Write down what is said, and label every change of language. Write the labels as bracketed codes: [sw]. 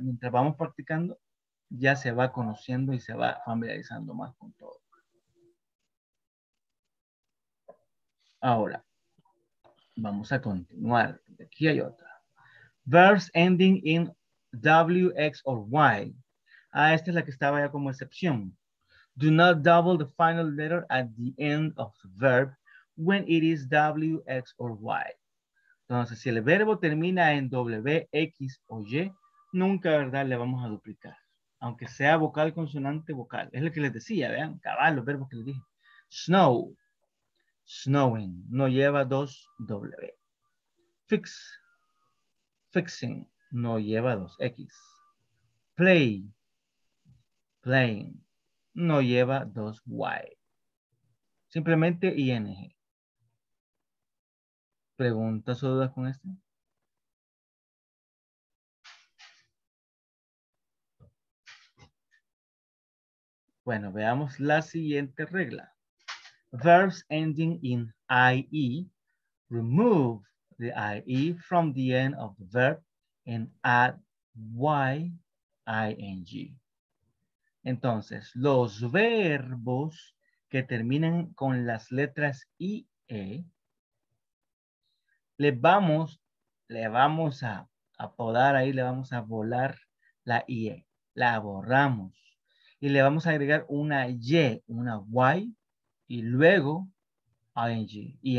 [es] Mientras vamos practicando, ya se va conociendo y se va familiarizando más con todo. Ahora, vamos a continuar. Aquí hay otra. [en] Verbs ending in W, X or Y. [es] Ah, esta es la que estaba ya como excepción. [en] Do not double the final letter at the end of the verb when it is W, X or Y. [es] Entonces, si el verbo termina en W, X o Y, nunca, ¿verdad?, le vamos a duplicar. Aunque sea vocal, consonante, vocal. Es lo que les decía, vean, cabal, los verbos que les dije. [en] Snow, snowing, [es] no lleva dos W. [en] Fix, fixing, [es] no lleva dos X. [en] Play, playing, [es] no lleva dos Y. Simplemente ING. ¿Preguntas o dudas con este? Bueno, veamos la siguiente regla. [en] Verbs ending in IE. Remove the IE from the end of the verb and add YING. [es] Entonces, los verbos que terminan con las letras IE, le vamos a volar la IE, la borramos y le vamos a agregar una Y, una Y y luego ING.